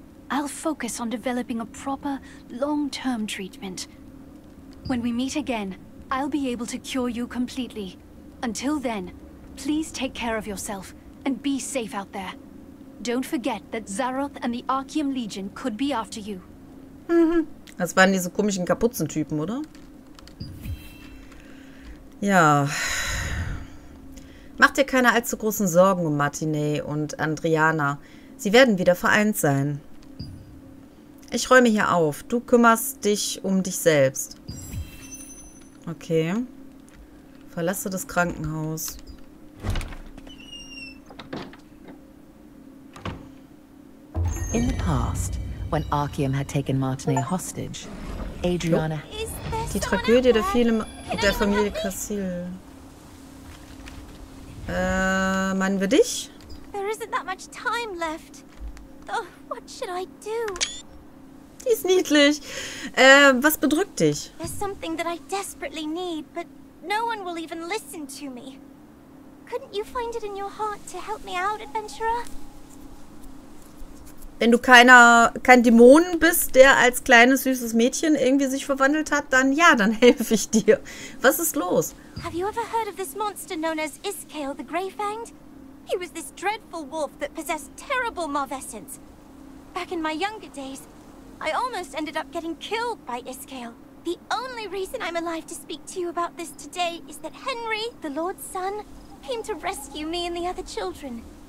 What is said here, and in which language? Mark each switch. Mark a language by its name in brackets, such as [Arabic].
[English] I'll focus on developing a proper, long-term treatment. When we meet again, I'll be able to cure you completely. Until then, please take care of yourself and be safe out there. Don't forget that Xaroth and the Archeum Legion could be after you. [German] Das waren diese komischen Kapuzentypen, oder? Ja. Mach dir keine allzu großen Sorgen um Martinet und Adriana. Sie werden wieder vereint sein. Ich räume hier auf. Du kümmerst dich um dich selbst. Okay. Verlasse das Krankenhaus. [English] In the past, when Archeum had taken Martinet hostage, Adriana... [German] Die Tragödie der vielen der Familie Cassil. Meinen wir dich? [English] There isn't that much time left. Oh, what should I do? [German] Die ist niedlich. Was bedrückt dich? [English] There's something that I desperately need, but no one will even listen to me. Couldn't you find it in your heart to help me out, Adventurer? [German] Wenn du kein Dämon bist, der als kleines süßes Mädchen irgendwie sich verwandelt hat, dann ja, dann helfe ich dir. Was ist los? [English] Have you ever heard of this monster known as Iskael the Greyfanged? He was this dreadful wolf that possessed terrible malvescence. Back in my younger days, I almost ended up getting killed by Iskael. The only reason I'm alive to speak to you about this today is that Henry, the Lord's son, came to rescue me and the other children.